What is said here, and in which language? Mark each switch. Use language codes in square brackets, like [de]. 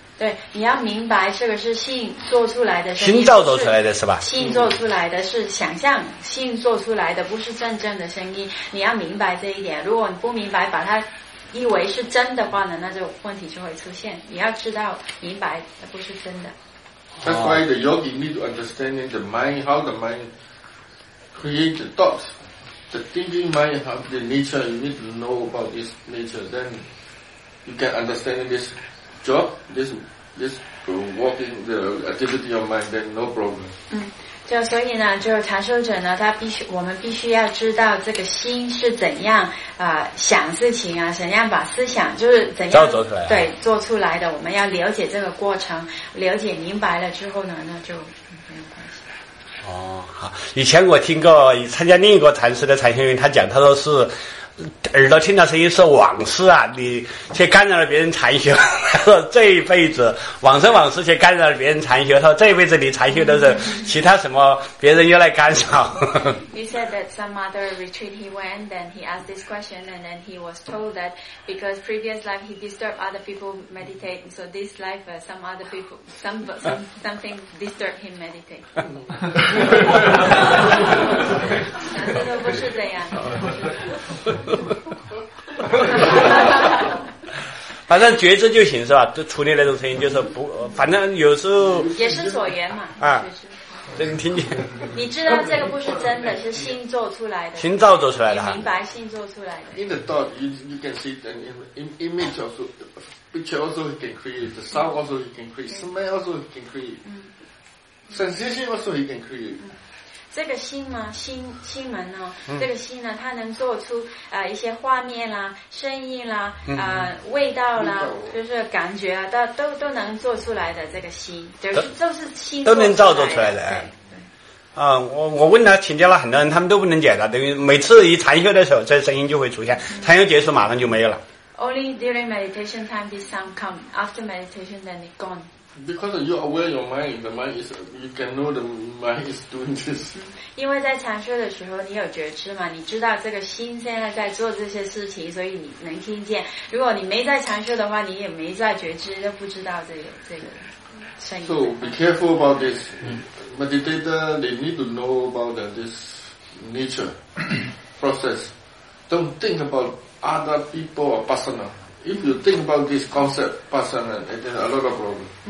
[zh] 对，你要明白这个是心做出来的声音，心造作出来的是吧，心做出来的是想象，心做出来的不是真正的声音，你要明白这一点。如果你不明白把它以为是真的话呢，那就问题就会出现。你要知道明白它不是真的。 [en] That's why the yogi need to understand the mind, how the mind creates the thoughts. The thinking mind, how the nature, you need to know about this nature. Then you can understand this job, this working, the activity of mind, then no problem. [zh] 就所以呢，就禅修者呢，我们必须要知道这个心是怎样想事情啊，怎样把思想就是怎样做出来，对，做出来的。我们要了解这个过程，了解明白了之后呢，那就没有关系。哦，好，以前我听过参加另一个禅师的禅修员，他讲，他说是耳朵听到声音是往事啊，你却干扰了别人禅修。他说这一辈子往生往事却干扰了别人禅修。他说这一辈子你禅修都是其他什么别人又来干扰。 [en] He said that some other retreat he went, then he asked this question, and then he was told that because previous life he disturbed other people meditate, so this life some other people something disturbed him meditate. [zh] 他说不是这样。反正觉知就行是吧，就处理那种声音，就是不，反正有时候也是所缘嘛，啊，这你听见，你知道这个不是真的，是心做出来的，心造作出来的，你明白心做出来的。 [en] In the thought, you can see the image also, picture also he can create, the sound also he can create, smell also he can create, sensation also he can create. [zh] 这个心吗？心门呢？这个心呢？它能做出一些画面啦、声音啦、味道啦，就是感觉啊，都能做出来的。这个心，就是心都能造作出来的。我问他请教了很多人，他们都不能解答。等于每次一禅修的时候，这声音就会出现，禅修结束马上就没有了。 [en] Only during meditation time this sound come. After meditation, then it gone. Because you are aware your mind, the mind is, you can know the mind is doing this. [zh] 因为在禅修的时候你有觉知嘛，你知道这个心现在在做这些事情，所以你能听见。如果你没在禅修的话，你也没在觉知，就不知道这个声音。 [en] So be careful about this. Meditator, they need to know about this nature process. Don't think about other people or personal. If you think about this concept, pasana, it is a lot of problem.